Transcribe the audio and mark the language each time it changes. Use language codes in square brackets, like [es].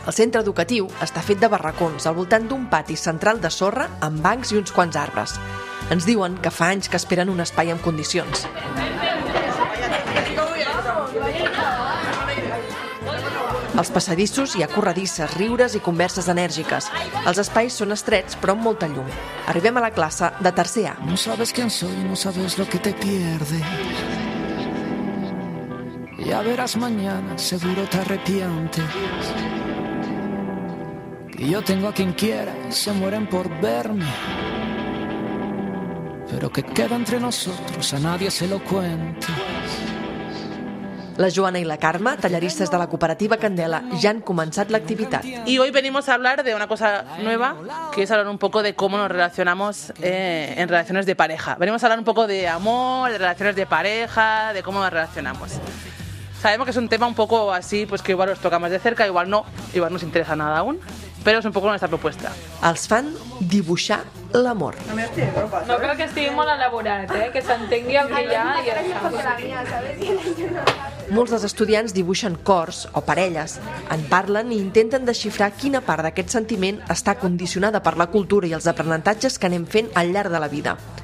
[ca] El centre educatiu està fet de barracons al voltant d'un pati central de sorra amb bancs i uns quants arbres. Ens diuen que fa anys que esperen un espai en condicions. Els passadissos hi ha corredisses, riures i converses enèrgiques. Els espais són estrets, però amb molta llum. Arribem a la classe de tercer A. [es] No sabes quién soy, no sabes lo que te pierdes. Ya verás mañana, seguro te arrepientes. Que yo tengo a quien quiera, se mueren por verme. Pero que queda entre nosotros, a nadie se lo cuentes. [ca] La Joana i la Carme, talleristes de la cooperativa Candela, ja han començat l'activitat. [es] Y hoy venimos a hablar de una cosa nueva, que es hablar un poco de cómo nos relacionamos en relaciones de pareja. Venimos a hablar un poco de amor, de relaciones de pareja, de cómo nos relacionamos. Sabemos que es un tema un poco así, pues que igual os toca más de cerca, igual no, igual no os interesa nada aún, pero es un poco nuestra propuesta. [ca] Els fan dibuixar l'amor. No crec que estigui molt elaborat, que s'entengui el dia i està. Molts dels estudiants dibuixen cors o parelles, en parlen i intenten desxifrar quina part d'aquest sentiment està condicionada per la cultura i els aprenentatges que anem fent al llarg de la vida.